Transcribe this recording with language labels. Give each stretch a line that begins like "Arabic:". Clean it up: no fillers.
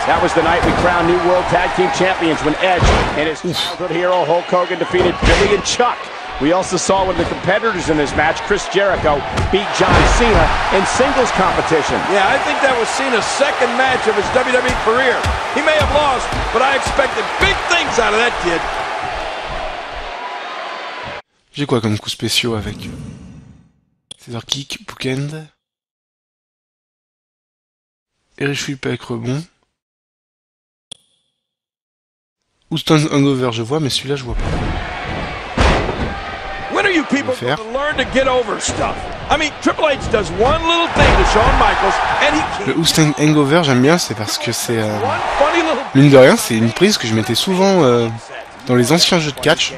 English: That was the night we crowned new World Tag Team Champions when Edge and his childhood hero Hulk Hogan defeated Billy and Chuck. We also saw one of the competitors in this match, Chris Jericho, beat John Cena in singles competition. Yeah, I think that was Cena's second match of his WWE career. He may have lost, but I expected big things out of that kid.
French: J'ai quoi comme coup spéciaux avec Scissor Kick, Bookend, Irish Whip avec rebond, Houston's Hangover, je vois, mais celui-là, je vois pas.
English: You people have to learn to get over stuff. I mean, Triple H does one little thing to Shawn Michaels, and he.
French: Le Houston Hangover, j'aime bien, c'est parce que c'est mine de rien, c'est une prise que je mettais souvent dans les anciens jeux de catch.